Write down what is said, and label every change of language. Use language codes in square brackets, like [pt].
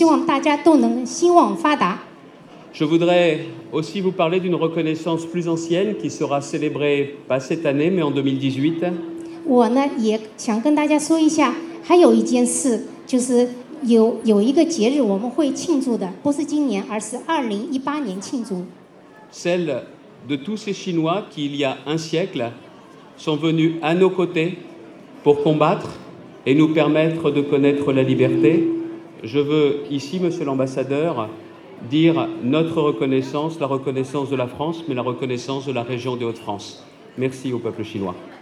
[zh] 今年呢，让我们呢就是展开了新的一页，让我们开始呢，大家都往同一个方向看，然后希望大家都能兴旺发达。 [fr] Je voudrais aussi vous parler d'une reconnaissance plus ancienne qui sera célébrée pas cette année, mais en 2018. [zh] 我呢也想跟大家说一下，还有一件事，就是有一个节日我们会庆祝的，不是今年，而是2018年庆祝。 [fr] Celle de tous ces Chinois qui, il y a un siècle, sont venus à nos côtés pour combattre et nous permettre de connaître la liberté. Je veux ici, Monsieur l'Ambassadeur, dire notre reconnaissance, la reconnaissance de la France, mais la reconnaissance de la région des Hauts-de-France. Merci au peuple chinois.